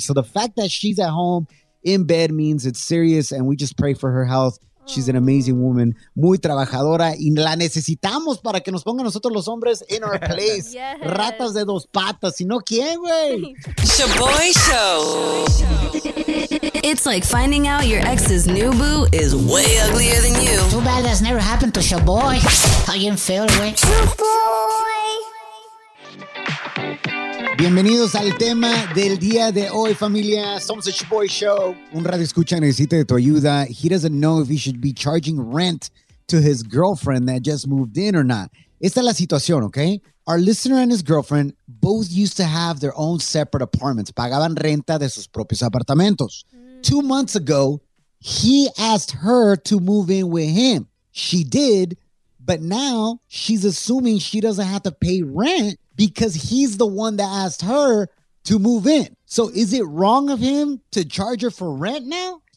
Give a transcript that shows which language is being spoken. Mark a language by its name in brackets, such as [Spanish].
[English] So the fact that she's at home in bed means it's serious and we just pray for her health. She's an amazing woman, [Spanish] muy trabajadora, y la necesitamos para que nos pongan nosotros los hombres [English] in our place. Yes. [Spanish] Ratas de dos patas, si no, ¿quién, güey? [English] Sha'Boy Show. It's like finding out your ex's new boo is way uglier than you. Too bad that's never happened to Sha'Boy. How you feel, güey? Sha'Boy. [Spanish] Bienvenidos al tema del día de hoy, familia. Somos el Sha'Boy Show. Un radio escucha necesita de tu ayuda. [English] He doesn't know if he should be charging rent to his girlfriend that just moved in or not. [Spanish] Esta es la situación, okay? [English] Our listener and his girlfriend both used to have their own separate apartments. [Spanish] Pagaban renta de sus propios apartamentos. [English] 2 months ago, he asked her to move in with him. She did, but now she's assuming she doesn't have to pay rent because he's the one that asked her to move in. So is it wrong of him to charge her for rent now?